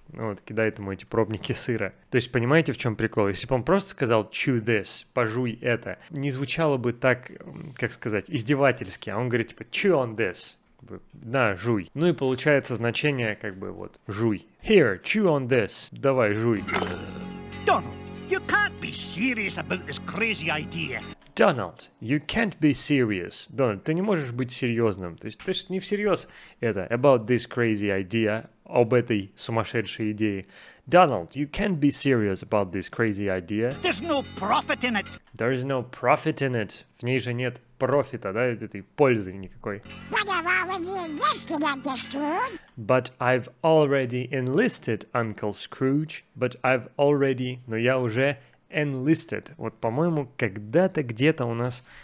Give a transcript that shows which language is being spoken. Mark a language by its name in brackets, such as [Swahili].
[Russian] Ну вот, кидает ему эти пробники сыра. То есть, понимаете, в чем прикол? Если бы он просто сказал [English] «chew this», [Russian] «пожуй это», не звучало бы так, как сказать, издевательски. А он говорит, типа [English] «chew on this», [Russian] «на, жуй». Ну и получается значение, как бы, вот, «жуй». [English] «Here, chew on this», [Russian] «давай, жуй». [English] Donald, you can't be serious about this crazy idea. [Russian] Donald, [English] you can't be serious. [Russian] Donald, ты не можешь быть серьезным. То есть, ты же не всерьез это, [English] about this crazy idea, [Russian] об этой сумасшедшей идее. [English] Donald, you can't be serious about this crazy idea. There's no profit in it. There's no profit in it. [Russian] В ней же нет профита, да, этой пользы никакой. [English] But I've already enlisted, Uncle Scrooge. But I've already enlisted, Uncle Scrooge. But I've already... [Russian] Но я уже enlisted. Вот, по-моему, когда-то, где-то у нас